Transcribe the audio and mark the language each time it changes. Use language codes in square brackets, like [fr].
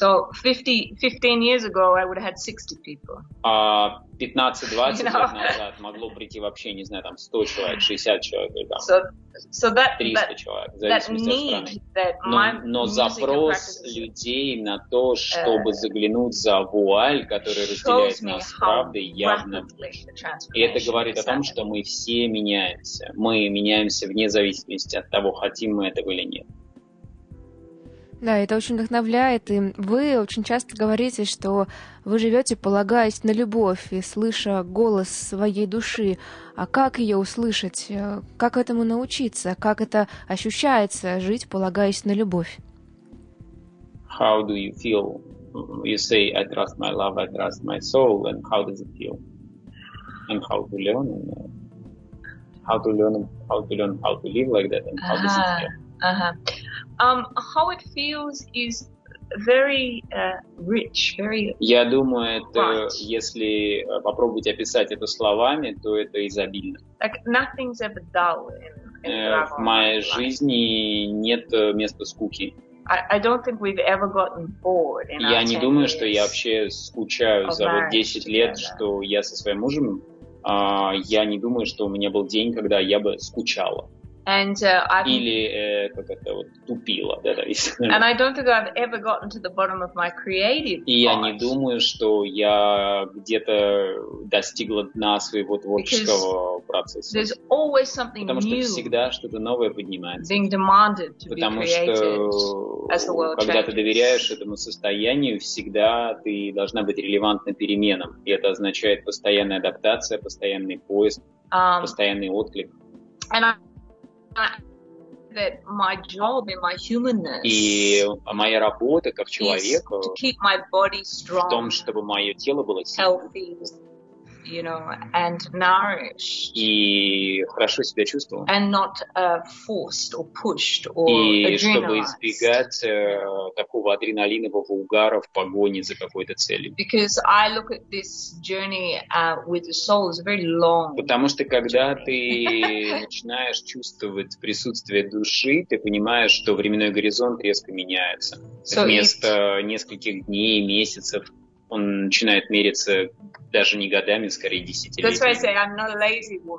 [en] So 15 years ago I would have had 60 people. [ru] 15-20 [en] you know? [ru] Лет назад могло прийти вообще, не знаю, там 100 человек, 60 человек или там. [en] So that, [ru] 300 [en] that, [ru] человек, в зависимости [en] that [ru] от страны. Но запрос людей на то, чтобы заглянуть за вуаль, которая разделяет нас правдой, явно... И это говорит о том, что мы все меняемся. Мы меняемся вне зависимости от того, хотим мы этого или нет. Да, это очень вдохновляет. И вы очень часто говорите, что вы живете, полагаясь на любовь и слыша голос своей души. А как ее услышать? Как этому научиться? Как это ощущается, жить, полагаясь на любовь? [en] how do you feel? You say, I trust my love, I trust my soul, and how does it feel? And how to learn? How to learn how to live like that? And how does it feel? How it feels is very rich, very. [ru] Я думаю, это если попробовать описать это словами, то это изобильно. [en] Like nothing's ever dull in [ru] В моей жизни нет места скуки. [en] I don't think we've ever gotten bored in our 10 [ru] Я не думаю, что я вообще скучаю за вот 10 лет, что я со своим мужем. Я не думаю, что у меня был день, когда я бы скучала. [en] And [ru] или как это вот тупила, да, да. [en] And I don't think I've ever gotten to the bottom of my creative. [ru] И я не думаю, что я где-то достигла дна своего творческого процесса. [en] There's always something new. [ru] Потому что всегда что-то новое поднимается. [en] Being demanded to be created. [ru] Потому что когда ты доверяешь этому состоянию, всегда ты должна быть релевантна переменам. И это означает постоянная адаптация, постоянный поиск, постоянный отклик. [en] That my job and my humanness [ru] и моя работа как человека [en] is to keep my body strong, [ru] в том, чтобы мое тело было сильным, [en] healthy, you know, and nourished, [ru] и хорошо себя чувствовал, [en] and not forced or pushed or [ru] и чтобы избегать такого адреналинового угара в погоне за какой-то целью. [en] Because I look at this journey with the soul is very long. [ru] Потому что когда ты начинаешь чувствовать присутствие души, ты понимаешь, что временной горизонт резко меняется. So вместо нескольких дней, месяцев, он начинает мериться даже не годами, скорее десятилетиями.